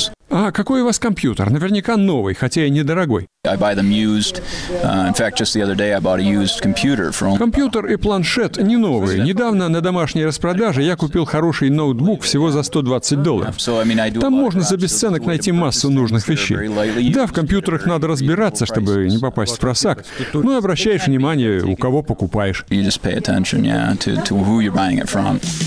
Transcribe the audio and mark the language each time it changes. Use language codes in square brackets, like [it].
[ru] А какой у вас компьютер? Наверняка новый, хотя и недорогой. [en] I buy them used. In fact, just the other day I bought a used computer from. [ru] Компьютер и планшет не новые. Недавно на домашней распродаже я купил хороший ноутбук всего за $120. Там можно за бесценок найти массу нужных вещей. Да, в компьютерах надо разбираться, чтобы не попасть в просак. Но обращаешь внимание, у кого покупаешь. [en] You just pay attention, yeah, to who you're buying it from.